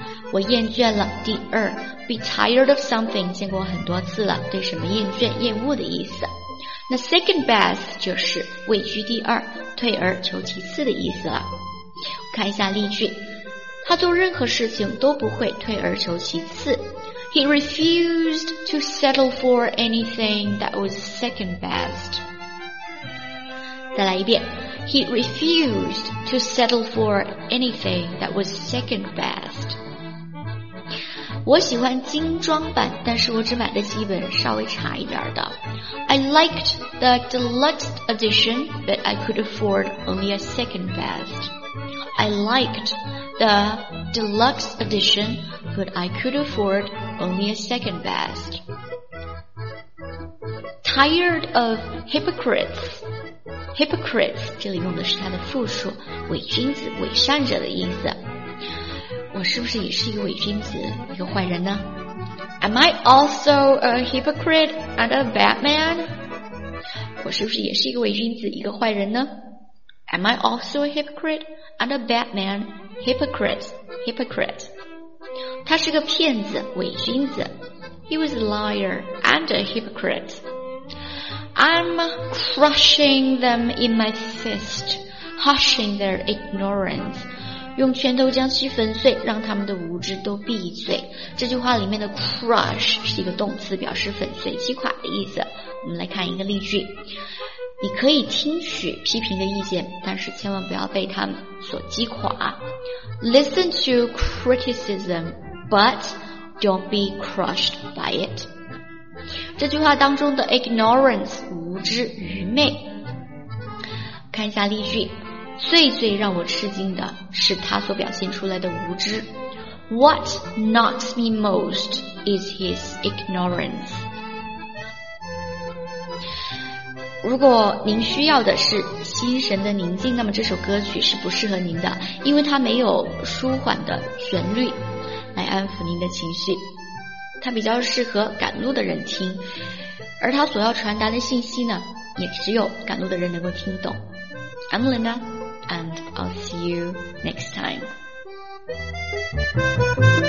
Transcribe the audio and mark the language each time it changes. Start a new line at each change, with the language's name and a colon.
Chinese: 我厌倦了第二。
English: Be tired of something
Chinese: 见过很多次了，对什么厌倦、厌恶的意思。那 second best 就是位居第二，退而求其次的意思了。看一下例句，他做任何事情都不会退而求其次。
English: He refused to settle for anything that was second best.
Chinese: 再来一遍。
English: He refused to settle for anything that was second best.
Chinese: 我喜欢精装版，但是我只买了几本稍微差一点的。
English: I liked the deluxe edition, but I could afford only a second best. I liked the deluxe edition, but I could afford only a second best. Tired of hypocrites.
Chinese: Hypocrites 这里用的是它的复数，伪君子、伪善者的意思。我是不是也是一个伪君子，一个坏人呢？
English: Am I also a hypocrite and a bad man?
Chinese: 我是不是也是一个伪君子，一个坏人呢？
English: Am I also a hypocrite and a bad man? Hypocrite
Chinese: 他是个骗子、伪君子。
English: He was a liar and a hypocriteI'm crushing them in my fist, hushing their ignorance.
Chinese: 用拳头将其粉碎，让他们的无知都闭嘴。这句话里面的 crush 是一个动词，表示粉碎、击垮的意思。我们来看一个例句：你可以听取批评的意见，但是千万不要被他们所击垮。
English: Listen to criticism, but don't be crushed by it.
Chinese: 这句话当中的 ignorance 无知、愚昧。看一下例句，最最让我吃惊的是他所表现出来的无知。
English: What knocks me most is his ignorance.
Chinese: 如果您需要的是心神的宁静，那么这首歌曲是不适合您的，因为它没有舒缓的旋律来安抚您的情绪，它比较适合赶路的人听，而它所要传达的信息呢，也只有赶路的人能够听懂。
English: I'm Linda, and I'll see you next time.